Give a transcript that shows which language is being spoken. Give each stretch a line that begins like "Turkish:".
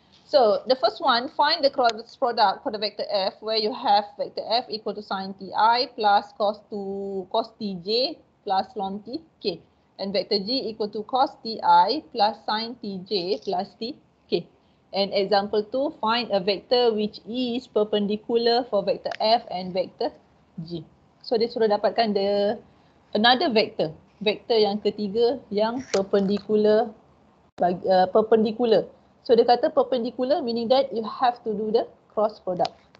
English: So the first one, find the cross product for the vector F where you have vector F equal to sine TI plus cos TJ plus long TK. And vector G equal to cos TI plus sine TJ plus TK. And example two, find a vector which is perpendicular for vector F and vector G.
Malay: So dia suruh dapatkan the another vector. Vector yang ketiga yang perpendicular.
English: Perpendicular. So dia kata perpendicular meaning that you have to do the cross product.